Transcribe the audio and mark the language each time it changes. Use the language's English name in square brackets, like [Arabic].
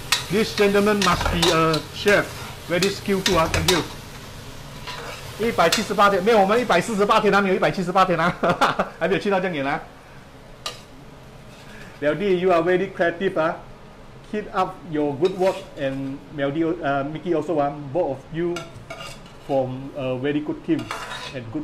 [English] This gentleman must be a chef, very skillful. Thank you. [Chinese] 178天，没有，我们148天啊，没有178天啊，还没有去到这样远啊。 [English] Melody, you are very creative. Keep up your good work, and Melody, Mickey also, both of you form a very good team and good